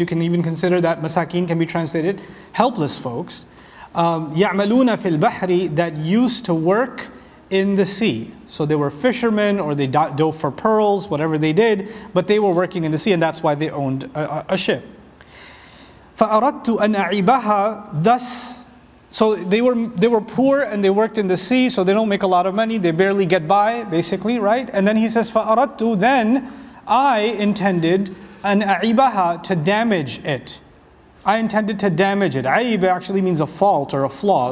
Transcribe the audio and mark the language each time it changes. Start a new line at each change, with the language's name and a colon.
English: You can even consider that masakin can be translated helpless folks.
Arabic: Ya'maluna fil bahri,
English: that used to work in the sea. So they were fishermen, or they dove for pearls, whatever they did, but they were working in the sea, and that's why they owned a ship.
Arabic: فَأَرَدْتُ أَنْ أَعِبَهَا thus.
English: So they were poor and they worked in the sea, so they don't make a lot of money. They barely get by, basically, right? And then he says, فَأَرَدْتُ then I intended
Arabic: أَنْ أَعِبَهَا
English: to damage it. I intended to damage it. عَيْبَ actually means a fault or a flaw.